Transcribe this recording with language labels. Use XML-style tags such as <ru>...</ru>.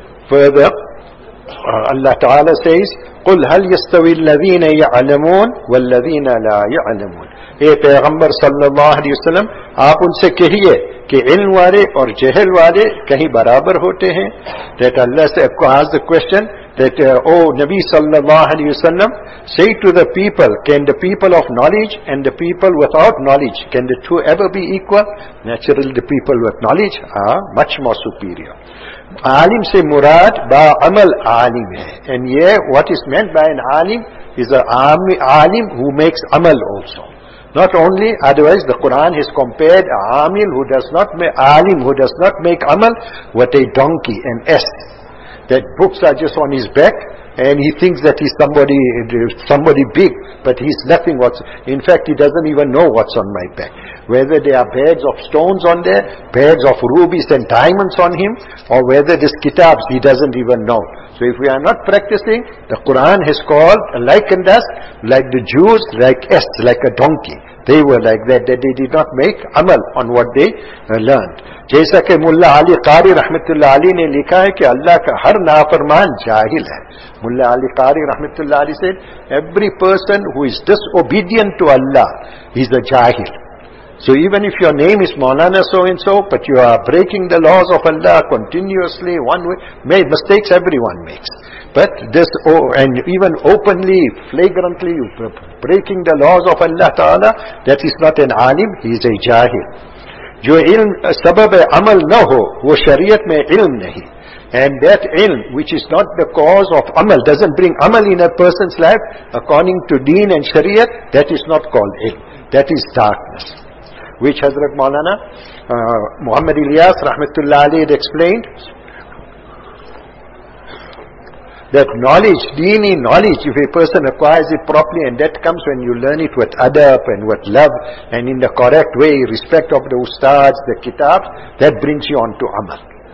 <en>Further, Allah Ta'ala says,</en> <ar>قُلْ هَلْ يَسْتَوِي الَّذِينَ يَعْلَمُونَ وَالَّذِينَ لَا يَعْلَمُونَ</ar> <ur>اے پیغمبر صلی اللہ علیہ وسلم, آپ ان سے کہیے کہ علم والے اور جہل والے کہیں برابر ہوتے ہیں؟</ur> <en>That Allah said, ask the question, that O Nabi صلی اللہ علیہ وسلم, say to the people, can the people of knowledge and the people without knowledge, can the two ever be equal? Naturally the people with knowledge are much more superior.</en> <ur>عالم سے مراد با عمل عالم ہے.</ur> <en>And yeah, what is meant by an عالم is a عالم who makes عمل also. Not only, otherwise the Quran has compared a عامل who does not make عالم who does not make عمل with a donkey, an ass. That books are just on his back and he thinks that he's somebody big, but he's nothing. In fact, he doesn't even know what's on my back. Whether there are bags of stones on there, bags of rubies and diamonds on him, or whether there's kitabs, he doesn't even know. So if we are not practicing, the Quran has called, likened us, like the Jews, like ass, like a donkey. They were like that, that they did not make amal on what they learned.</en> <ur>جیسا کہ ملا علی قاری رحمت اللہ علی نے لکھا ہے کہ اللہ کا ہر نافرمان جاہل ہے.</ur> <en>ملا علی قاری رحمت اللہ علی said, every person who is disobedient to Allah is a jahil. So even if your name is Maulana so and so, but you are breaking the laws of Allah continuously, one way, made mistakes everyone makes. But this, and even openly, flagrantly, breaking the laws of Allah Ta'ala, that is not an alim, he is a jahil.</en> <ur>جو علم سبب عمل نہ ہو وہ شریعت میں علم نہیں.</ur> <en>And that علم which is not the cause of عمل, doesn't bring عمل in a person's life according to deen and shariat, that is not called علم. That is darkness. Which Hazrat Maulana Muhammad Ilyas Rahmatullah Ali had explained that knowledge, deen-y knowledge, if a person acquires it properly, and that comes when you learn it with adab and with love and in the correct way, respect of the ustads, the kitab, that brings you on to amal.</en>